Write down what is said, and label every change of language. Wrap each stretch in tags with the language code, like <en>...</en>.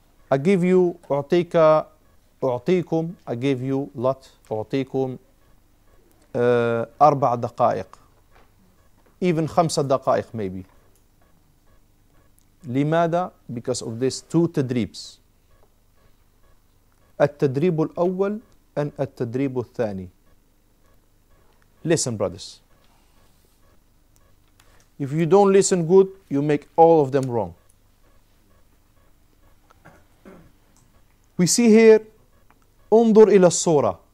<en>I give you</en> <ar>أعطيك أعطيكم</ar> <en>I give you lot</en> <ar>أعطيكم أربع دقائق</ar> <en>even</en> <ar>خمسة دقائق</ar> <en>maybe.</en> <ar>لماذا؟</ar> <en>Because of these two تدريبs.</en> <ar>التدريب الأول</ar> <en>and</en> <ar>التدريب الثاني.</ar> <en>Listen brothers. If you don't listen good, you make all of them wrong. We see here,</en> <ar>انظر إلى الصورة.</ar>